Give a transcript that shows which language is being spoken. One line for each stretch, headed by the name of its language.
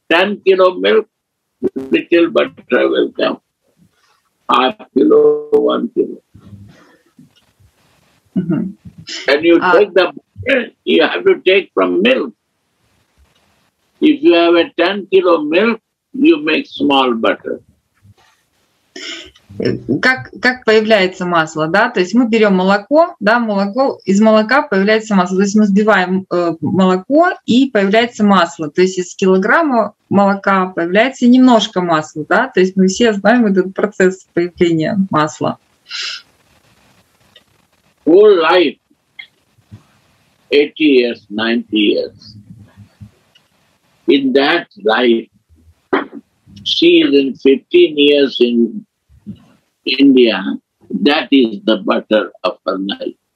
English: 10 kilo milk, little butter will come. 1/2 kilo, 1 kilo. And you take the butter, you have to take from milk. If you have a 10 kilo milk, you make small butter.
Russian: Как появляется масло, да? То есть мы берем молоко, да, молоко, из молока появляется масло. То есть мы взбиваем молоко, и появляется масло. То есть из килограмма молока появляется немножко масла, да? То есть мы все знаем этот процесс появления масла.
English: Whole life, 80 years, 90 years, in that life, she is in 15 years in India, that is the butter of her life.